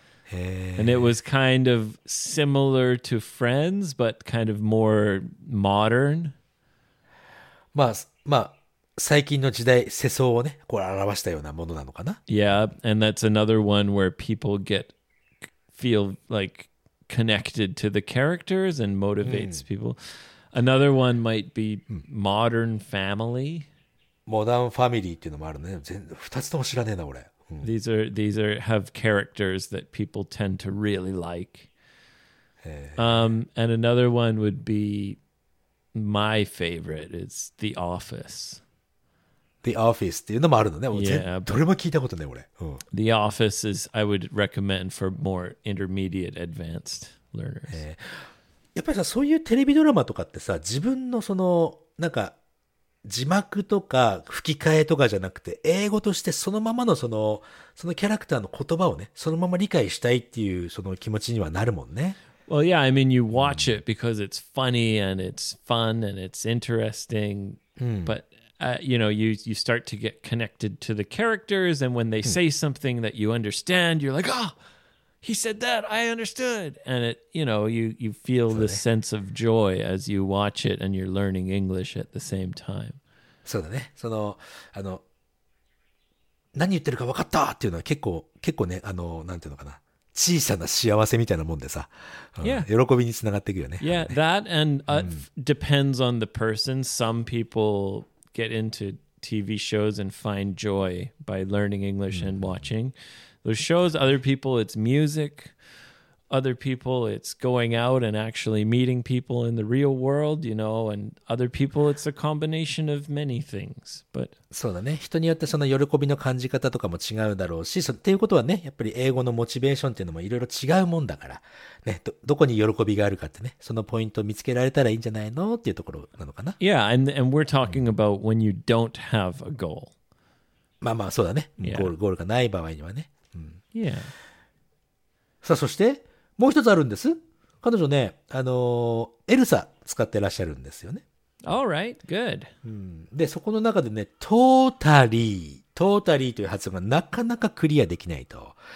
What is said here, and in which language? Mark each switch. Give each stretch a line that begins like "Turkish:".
English: And it was kind of similar to Friends, but kind of more modern.
Japanese: まあ、まあ、最近の時代、世相をね、こう表したようなものなのかな。
English: Yeah, and that's another one where people get, feel like connected to the characters and motivates people. Another one might be Modern Family.
Japanese: Modern Family っていうのもあるね。全、二つとも知らねえな、俺。
English: These are have characters that people tend to really like. And another one would be my favorite is The Office.
Japanese: The Office っていうのもあるのね。どれも聞いたことない、俺。
English: The Office is, I would recommend for more intermediate advanced learners.
Japanese: やっぱりさ、そういうテレビドラマとかってさ、自分のその、なんか、字幕とか吹き替えとかじゃなくて、英語としてそのままのその、そのキャラクターの言葉をね、そのまま理解したいっていうその気持ちにはなるもんね。
English: Well, yeah, I mean, you watch it because it's funny and it's fun and it's interesting, but... you know, you start to get connected to the characters, and when they say something that you understand, you're like, oh, he said that, I understood. And it, you know, you feel the sense of joy as you watch it and you're learning English at the same time.
Japanese: そうだね。その、あの、何言ってるか分かったっていうのは結構ね、あの、なんていうのかな。小さな幸せみたいなもんでさ、
English: yeah.
Japanese: 喜びにつながっていくよね。
English: Yeah, that and depends on the person. Some people... get into TV shows and find joy by learning English and watching those shows. Other people, it's music. Other people, it's going out and actually meeting people in the real world, you know, and other people, it's a combination of many things. But
Japanese: そうだね。人によってその喜びの感じ方とかも違うだろうし、っていうことはね、やっぱり英語のモチベーションっていうのもいろいろ違うもんだから、ね、どこに喜びがあるかってね、そのポイントを見つけられたらいいんじゃないのっていうところなのかな。
English: Yeah, and we're talking about when you don't have a goal.
Japanese: まあまあ、そうだね。ゴールがない場合にはね。
English: Yeah.
Japanese: さあ、そして、もう一つあるんです。彼女ね、エルサ使ってらっしゃるんですよね。
English: All right, good.、
Japanese: で、そこの中でね、トータリーという発音がなかなかクリアできないと。